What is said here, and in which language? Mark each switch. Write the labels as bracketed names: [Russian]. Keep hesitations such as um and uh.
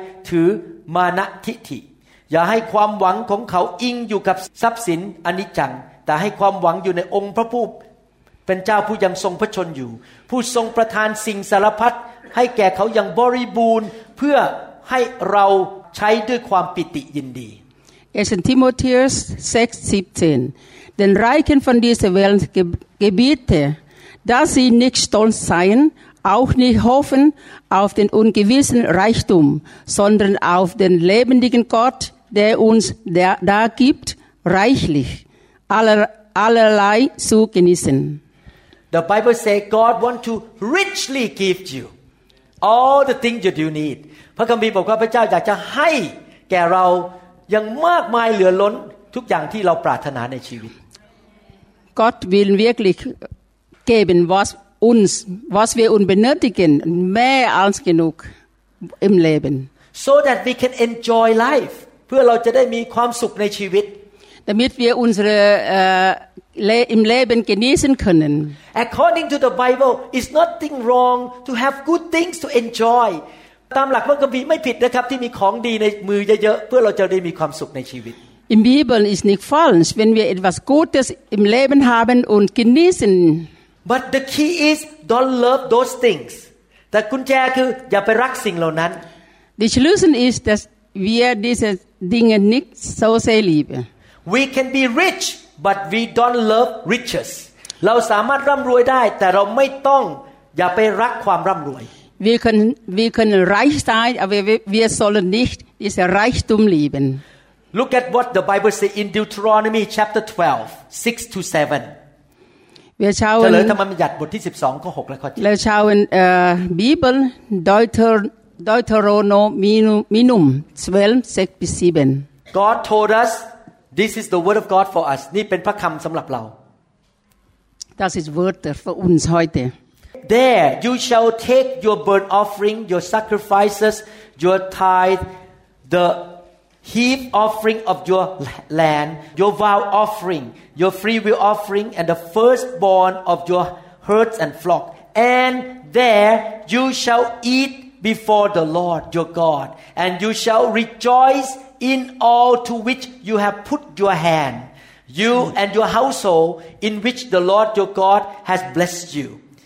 [Thai] ถือมานะทิฐิ อย่าให้ความหวังของเขาอิงอยู่กับทรัพย์สินอนิจจัง แต่ให้ความหวังอยู่ในองค์พระผู้ เป็นเจ้าผู้ยังทรงพระชนอยู่ ผู้ทรงประทานสิ่งสารพัดให้แก่เขาอย่างบริบูรณ์ เพื่อให้เราใช้ด้วยความปิติยินดี [German] 1. Timotheus 6, 17. Den Reichen von dieser Welt ge- gebiete, dass sie nicht stolz seien, auch nicht hoffen auf den ungewissen Reichtum, sondern auf den lebendigen Gott, der uns da, da gibt, reichlich aller, allerlei zu genießen. [English] The Bible says God want to richly give you all the things that you need [Thai] พระคัมภีร์บอกว่าพระเจ้าอยากจะให้แก่เรายังมากมายเหลือล้นทุกอย่างที่เราปรารถนาในชีวิต [German] Gott will wirklich geben, was uns, was wir uns benötigen, mehr als genug im Leben, [English] so that we can enjoy life [Thai] เพื่อเราจะได้มีความสุขในชีวิต [German] damit wir unsere äh, Le im Leben genießen können. [English] according to the Bible it's nothing wrong to have good things to enjoy [Thai] ตามหลักพระคัมภีร์ไม่ผิดนะครับที่มีของดีในมือเยอะๆเพื่อเราจะได้มีความสุขในชีวิต [German] Im Bibel ist nicht falsch, wenn wir etwas Gutes im Leben haben und genießen. [English] but the key is don't love those things [Thai] แต่กุญแจคืออย่าไปรักสิ่งเหล่านั้น [German] Die Schlüssel ist, dass wir diese Dinge nicht so sehr lieben. [English] we can be rich but we don't love riches [Thai] เราสามารถร่ำรวยได้ แต่เราไม่ต้องอย่าไปรักความร่ำรวย [German] Wir können, wir können reich sein, aber wir, wir sollen nicht diesen Reichtum lieben. [English] Look at what the Bible says in Deuteronomy chapter 12 6 to 7 [German] Wir เฉลย schauen, [Thai] ธรรมบัญญัติบทที่ 12 ข้อ 6 และข้อ [German] wir schauen äh, Bibel Deuter, Deuteronomium 12, 6 bis 7. [English] 7 God told us this is the word of God for us [Thai] นี่เป็นพระคำสำหรับเรา [German] Das ist Wörter für uns heute. [English] There you shall take your burnt offering your sacrifices your tithe the heap offering of your land your vow offering your free will offering and the firstborn of your herds and flock and there you shall eat before the Lord your God and you shall rejoice in all to which you have put your hand you and your household in which the Lord your God has blessed you